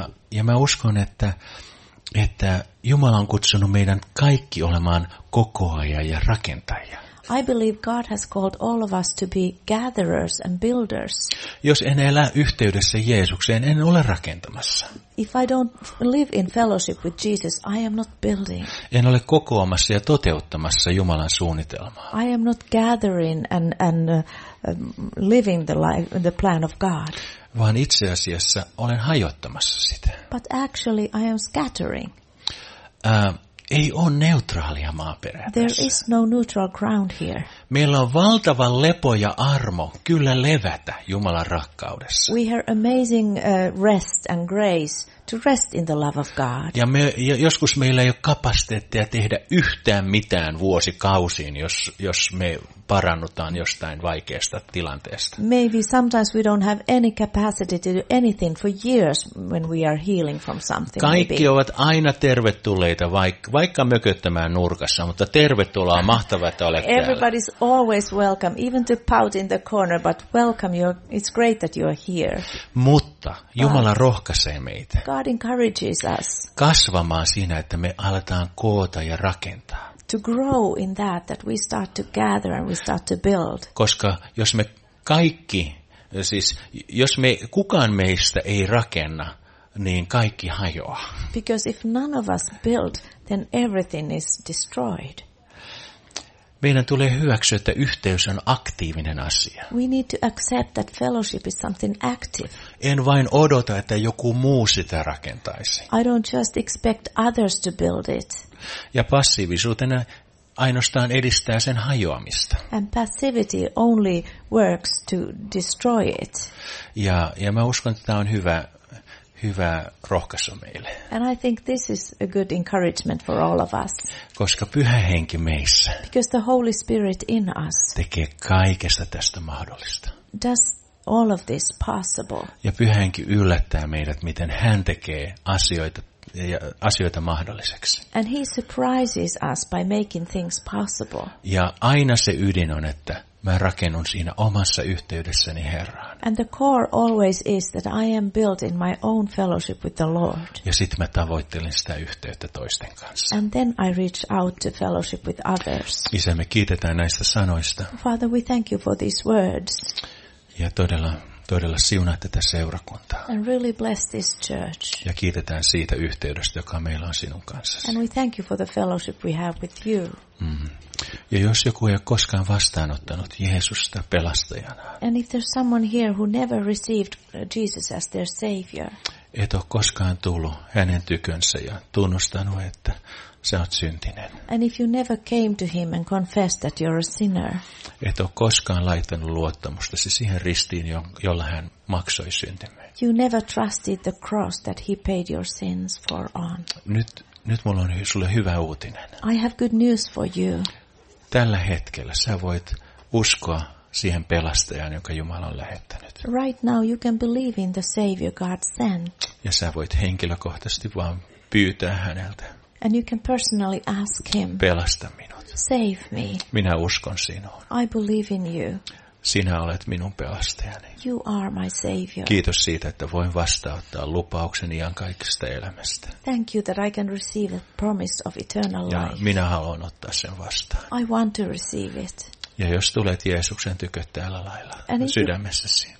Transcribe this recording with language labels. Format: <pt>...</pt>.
<fi>Ja mä uskon, että Jumala on kutsunut meidän kaikki olemaan kokoajia ja rakentajia.</fi> <en>I believe God has called all of us to be gatherers and builders.</en> <fi>Jos en elä yhteydessä Jeesukseen, en ole rakentamassa.</fi> <en>If I don't live in fellowship with Jesus, I am not building.</en> <fi>En ole kokoamassa ja toteuttamassa Jumalan suunnitelmaa.</fi> <en>I am not gathering and living the plan of God.</en> <fi>Vaan itse asiassa olen hajottamassa sitä.</fi> <en>But actually I am scattering.</en> <fi>Ei ole neutraalia maaperää.</fi> <en>There is no neutral ground here.</en> <fi>Meillä on valtava lepo ja armo kyllä levätä Jumalan rakkaudessa.</fi> <en>We have amazing rest and grace to rest in the love of God.</en> <fi>Ja joskus meillä ei ole kapasiteettia tehdä yhtään mitään vuosikausiin, jos me parannutaan jostain vaikeasta tilanteesta.</fi> <en>Maybe sometimes we don't have any capacity to do anything for years when we are healing from something.</en> <fi>Kaikki ovat aina tervetulleita vaikka mököttämään nurkassa, mutta tervetuloa, mahtavaa, että olet täällä.</fi> <en>Everybody's always welcome, even to pout in the corner, but welcome, it's great that you are here.</en> <fi>Mutta Jumala rohkaisee meitä.</fi> <en>God encourages us.</en> <fi>Kasvamaan siinä, että me aletaan koota ja rakentaa.</fi> <en>To grow in that we start to gather and we start to build.</en> <fi>Koska jos me kaikki, siis jos me kukaan meistä ei rakenna, niin kaikki hajoaa.</fi> <en>Because if none of us build, then everything is destroyed.</en> <fi>Meidän tulee hyväksyä, että yhteys on aktiivinen asia.</fi> <en>We need to accept that fellowship is something active.</en> <fi>En vain odota, että joku muu sitä rakentaisi.</fi> <en>I don't just expect others to build it.</en> <fi>Ja passiivisuutena ainoastaan edistää sen hajoamista.</fi> <en>And passivity only works to destroy it.</en> <fi>Ja mä uskon, että tämä on hyvä rohkaisu meille.</fi> <en>And I think this is a good encouragement for all of us.</en> <fi>Koska Pyhä Henki meissä.</fi> <en>Because the Holy Spirit in us.</en> <fi>Tekee kaikesta tästä mahdollista.</fi> <en>Does all of this possible.</en> <fi>Ja Pyhä Henki yllättää meidät, miten hän tekee asioita mahdolliseksi.</fi> <en>And he surprises us by making things possible.</en> <fi>Ja aina se ydin on, että Mä rakennun siinä omassa yhteydessäni Herraan.</fi> <en>And the core always is that I am built in my own fellowship with the Lord.</en> <fi>Ja sit mä tavoittelen sitä yhteyttä toisten kanssa.</fi> <en>And then I reach out to fellowship with others.</en> <fi>Isä, me kiitetään näistä sanoista.</fi> <en>Father, we thank you for these words.</en> <fi>Ja todella, todella siunaa tätä seurakuntaa.</fi> <en>And really bless this church.</en> <fi>Ja kiitetään siitä yhteydestä, joka meillä on sinun kanssasi.</fi> <en>And we thank you for the fellowship we have with you. Mm.</en> <fi>Ja jos joku ei ole koskaan vastaanottanut Jeesusta pelastajana.</fi> <en>And if there's someone here who never received Jesus as their savior.</en> <fi>Et ole koskaan tullut hänen tykönsä ja tunnustanut, että sä oot syntinen.</fi> <en>And if you never came to him and confessed that you're a sinner.</en> <fi>Et ole koskaan laittanut luottamustasi siihen ristiin, jolla hän maksoi syntimme.</fi> <en>You never trusted the cross that he paid your sins for on.</en> <fi>Nyt mulla on sulle hyvä uutinen.</fi> <en>I have good news for you.</en> <fi>Tällä hetkellä sä voit uskoa siihen pelastajaan, jonka Jumala on lähettänyt.</fi> <en>Right now you can believe in the savior God sent.</en> <fi>Ja sä voit henkilökohtaisesti vaan pyytää häneltä.</fi> <en>And you can personally ask him.</en> <fi>Pelasta minut.</fi> <en>Save me.</en> <fi>Minä uskon sinuun.</fi> <en>I believe in you.</en> <fi>Sinä olet minun pelastajani.</fi> <en>You are my savior.</en> <fi>Kiitos siitä, että voin vastaanottaa lupauksen iankaikkisesta elämästä.</fi> <en>Thank you that I can receive the promise of eternal life.</en> <fi>Ja minä haluan ottaa sen vastaan.</fi> <en>I want to receive it.</en> <fi>Ja jos tulet Jeesuksen tykö tällä lailla sydämessäsi.</fi>